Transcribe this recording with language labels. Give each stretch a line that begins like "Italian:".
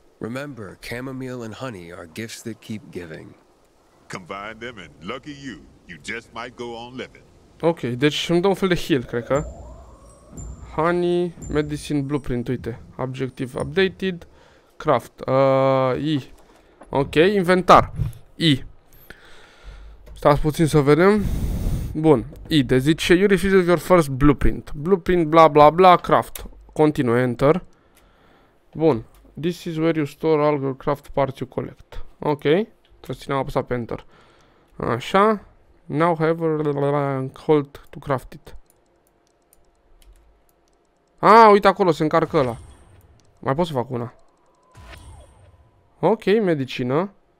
English: Remember, chamomile and honey are gifts that keep giving. Combine them and lucky you, you just might go on living.
Romanian: Ok, deci îmi dă un fel de heal, cred că.
English: Honey, medicine, blueprint,
Romanian: uite.
English: Objectiv updated. Craft. I.
Romanian: Ok, inventar. I. Stați puțin să vedem. Bun. I. De zice,
English: you refuse your first blueprint. Blueprint, bla, bla, bla, craft. Continue, enter.
Romanian: Bun.
English: This is where you store all your craft parts you collect. Ok.
Romanian: Trebuie să ținem apăsat pe enter. Așa.
English: Now, however, hold to craft it.
Romanian: A, uite acolo, se încarcă ăla. Mai pot să fac una. Ok, medicină.